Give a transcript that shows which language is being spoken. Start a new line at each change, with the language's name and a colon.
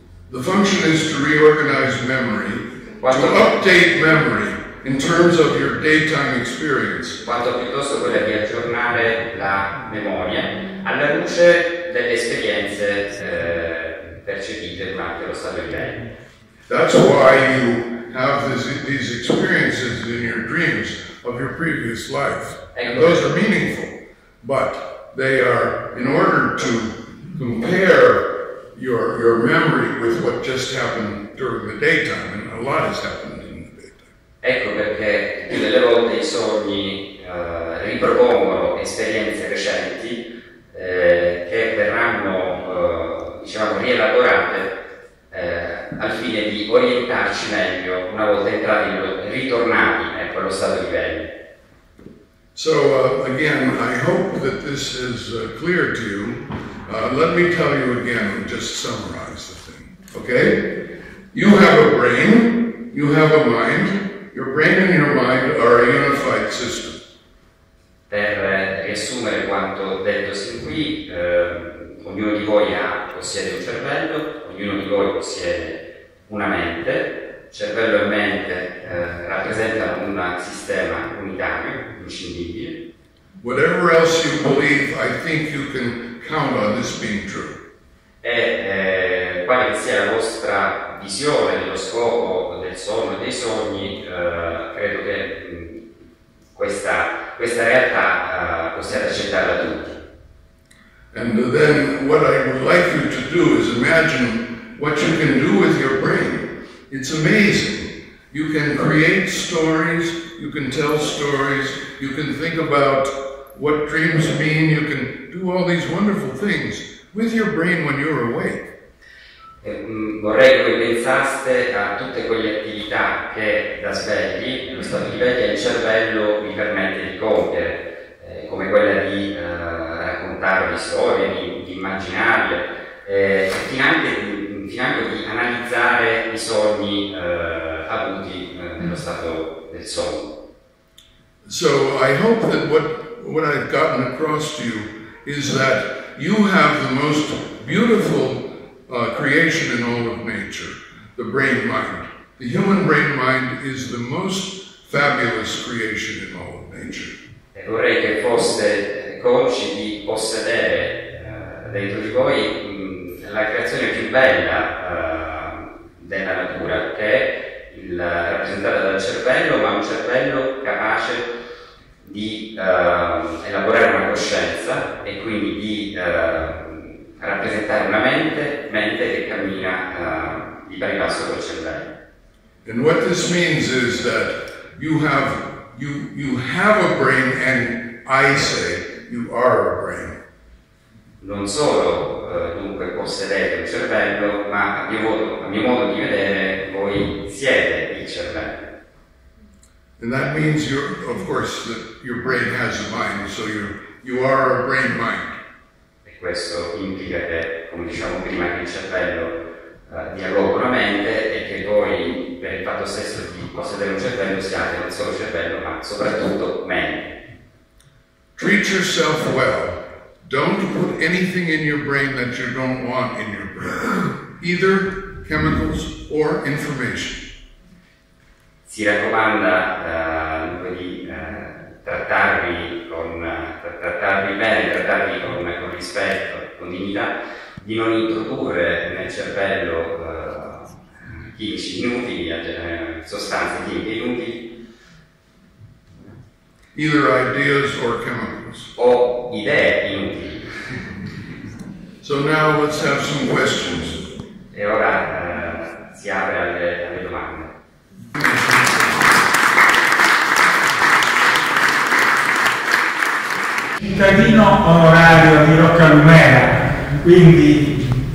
English: The function is to reorganize memory, to update memory in terms of your daytime experience.
Italian: Quanto piuttosto quella di aggiornare la memoria alla luce delle esperienze percepite durante lo stato di veglia.
English: That's why you have these experiences in your dreams of your previous life. And those are meaningful, but they are in order to compare your memory with what just happened during the daytime, and a lot has happened in the daytime.
Italian: Ecco perché delle volte i sogni ripropongono esperienze recenti che verranno, rielaborate al fine di orientarci meglio una volta entrati, ritornati a quello stato di veglia.
English: So, again, I hope that this is clear to you. Let me tell you again, just summarize the thing, okay? You have a brain, you have a mind. Your brain and your mind are a unified system.
Italian: Per riassumere quanto detto sin qui, ognuno di voi possiede un cervello, ognuno di voi possiede una mente, cervello e mente rappresentano un sistema unitario, inscindibile.
English: Whatever else you believe, I think you can count on this being true.
Italian: quale sia la vostra visione dello scopo del sonno e dei sogni, credo che questa realtà possiate accettarla tutti.
English: And then what I would like you to do is imagine what you can do with your brain. It's amazing. You can create stories, you can tell stories, you can think about what dreams mean, you can do all these wonderful things with your brain when you're awake.
Italian: Vorrei che voi pensaste a tutte quelle attività che da svegli, lo stato di veglia, il cervello vi permette di compiere, come quella di raccontarvi storie, di immaginarle, fino anche di analizzare i sogni avuti nello stato del sonno.
English: So I hope that what I've gotten across to you is that you have the most beautiful creation in all of nature, the brain mind. The human brain mind is the most fabulous creation in all of nature.
Italian: Vorrei che foste consci di possedere dentro di voi la creazione più bella della natura, che è rappresentata dal cervello, ma un cervello capace di elaborare una coscienza e quindi di rappresentare una mente che cammina di pari passo col cervello.
English: And what this means is that you have a brain, and I say you are a brain.
Italian: Non solo dunque possedete un cervello, ma a mio modo di vedere voi siete il cervello.
English: And that means you're, of course, that your brain has a mind, so you are a brain mind.
Italian: Questo implica che, come diciamo prima, che il cervello dialoga con la mente e che voi, per il fatto stesso di possedere un cervello, siate non solo cervello, ma soprattutto mente.
English: Treat yourself well. Don't put anything in your brain that you don't want in your brain, either chemicals or information.
Italian: Si raccomanda di trattarvi bene, trattarvi con rispetto, con dignità, di non introdurre nel cervello chimici inutili, sostanze chimiche
English: Either ideas or chemicals.
Italian: o idee inutili.
English: So now let's have some questions.
Italian: E ora si apre alle domande. Cittadino onorario di Roccalumera, quindi